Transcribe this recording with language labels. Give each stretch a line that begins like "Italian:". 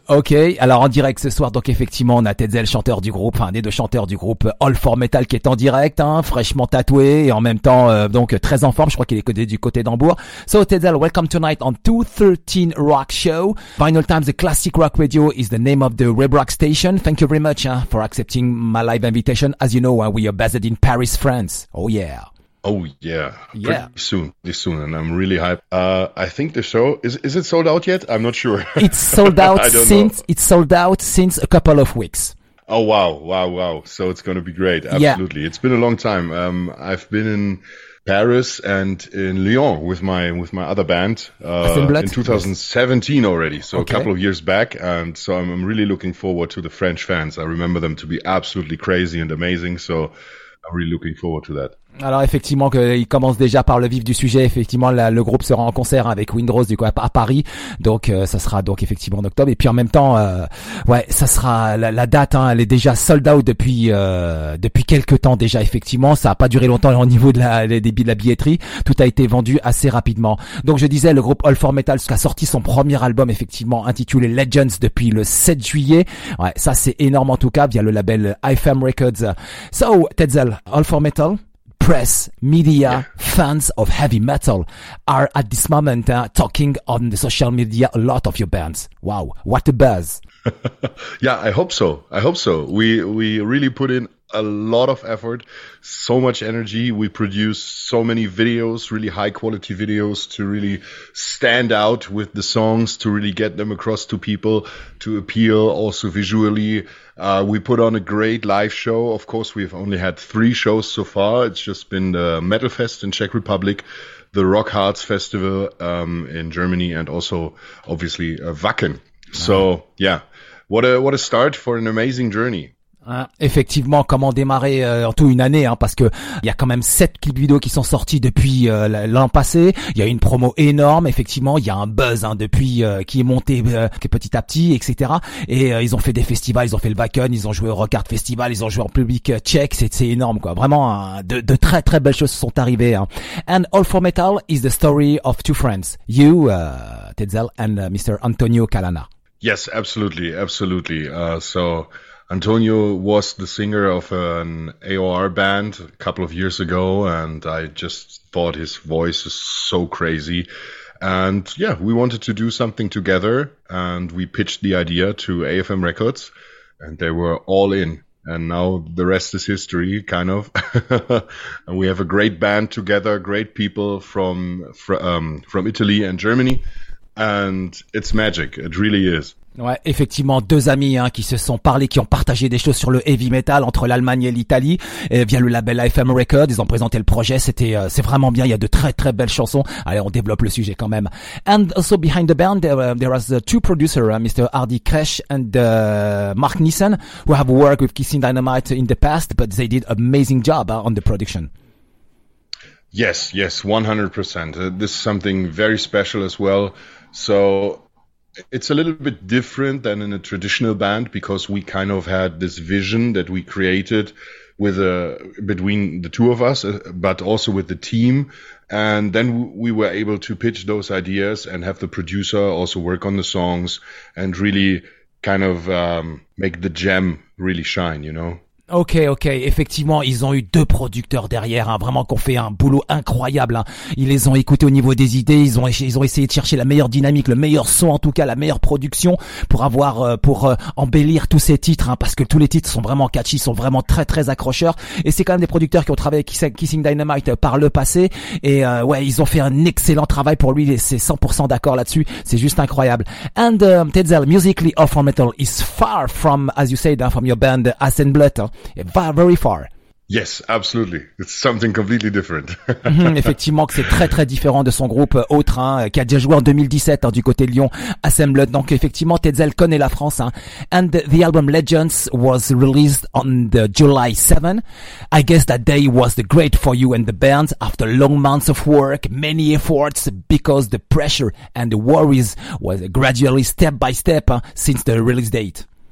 French: Ok, alors en direct ce soir, donc effectivement, on a Tetzel, chanteur du groupe, un des deux chanteurs du groupe All For Metal qui est en direct, hein, fraîchement tatoué et en même temps donc très en forme, je crois qu'il est codé du côté d'Hambourg.
English: So Tetzel, welcome tonight on 213 Rock Show. Vinyl Times, the classic rock radio is the name of the Web Rock station. Thank you very much for accepting my live invitation. As you know, we are based in Paris, France. Oh yeah. Oh yeah, yeah. Pretty soon, this soon, and I'm really hyped. I think the show is it sold out yet? I'm not sure. It's sold out since a couple of weeks. Oh wow! So it's gonna be great. Absolutely, yeah. It's been a long time. I've been in Paris and in Lyon with my other band in 2017 already. So okay. A couple of years back, and so I'm really looking forward to the French fans. I remember them to be absolutely crazy and amazing. So I'm really looking forward to that.
French: Alors effectivement, il commence déjà par le vif du sujet. Effectivement, le groupe sera en concert avec Windrose du coup à Paris. Donc ça sera donc effectivement en octobre. Et puis en même temps, ouais, ça sera la date. Hein, elle est déjà sold out depuis quelques temps déjà. Effectivement, ça a pas duré longtemps au niveau de la billetterie. Tout a été vendu assez rapidement. Donc je disais, le groupe All For Metal a sorti son premier album effectivement intitulé Legends depuis le 7 juillet. Ouais, ça c'est énorme en tout cas via le label IFM Records.
English: So Tetzel, All For Metal. Press, media, yeah. Fans of heavy metal are at this moment talking on the social media a lot of your bands. Wow, what a buzz. Yeah, I hope so. We really put in a lot of effort, so much energy. We produce so many videos, really high quality videos to really stand out with the songs, to really get them across to people, to appeal also visually. We put on a great live show. Of course, we've only had 3 shows so far. It's just been the Metal Fest in Czech Republic, the Rock Hearts Festival in Germany, and also obviously Wacken. Wow. So yeah, what a start for an amazing journey.
French: Effectivement, comment démarrer en tout une année, hein, parce que il y a quand même 7 clips vidéo qui sont sortis depuis l'an passé. Il y a une promo énorme, effectivement. Il y a un buzz hein, depuis qui est monté petit à petit, etc. Et ils ont fait des festivals, ils ont fait le Wacken, ils ont joué au Rockart Festival, ils ont joué en public tchèque. C'est énorme, quoi. Vraiment, hein, de très très belles choses sont arrivées. Hein.
English: And All for Metal is the story of two friends, you, Tetzel, and Mr. Antonio Calanna. Yes, absolutely, absolutely. So Antonio was the singer of an AOR band a couple of years ago, and I just thought his voice is so crazy. And yeah, we wanted to do something together, and we pitched the idea to AFM Records, and they were all in. And now the rest is history, kind of. And we have a great band together, great people from Italy and Germany. And it's magic, it really is.
French: Ouais, effectivement, deux amis hein, qui se sont parlé, qui ont partagé des choses sur le heavy metal entre l'Allemagne et l'Italie et via le label AFM Records. Ils ont présenté le projet, c'était c'est vraiment bien, il y a de très très belles chansons. Allez, on développe le sujet quand même.
English: And also behind the band, there was two producers, Mr. Hardy Kresh and Mark Nissen, who have worked with Kissing Dynamite in the past, but they did amazing job on the production. Yes, yes, 100%. This is something very special as well. So it's a little bit different than in a traditional band because we kind of had this vision that we created with between the two of us, but also with the team. And then we were able to pitch those ideas and have the producer also work on the songs and really kind of make the gem really shine, you know?
French: Ok, ok, effectivement, ils ont eu deux producteurs derrière, hein, vraiment qui ont fait un boulot incroyable. Hein. Ils les ont écoutés au niveau des idées, ils ont essayé de chercher la meilleure dynamique, le meilleur son en tout cas, la meilleure production pour avoir, pour embellir tous ces titres, hein, parce que tous les titres sont vraiment catchy, sont vraiment très très accrocheurs. Et c'est quand même des producteurs qui ont travaillé avec Kissing Dynamite par le passé, et ouais, ils ont fait un excellent travail pour lui, et c'est 100% d'accord là-dessus, c'est juste incroyable.
English: And Tetzel, musically, All for Metal is far from, as you said, from your band, Acid Blood. Hein. Very far. Yes, absolutely. It's something completely different.
French: Effectivement, que c'est très très différent de son groupe autre, hein, qui a déjà joué en 2017 hein, du côté de Lyon, Assem Blood. Donc effectivement, Tetzel connaît la France. Hein.
English: And the album Legends was released on the July 7. I guess that day was the great for you and the band after long months of work, many efforts, because the pressure and the worries was gradually step by step hein, since the release date.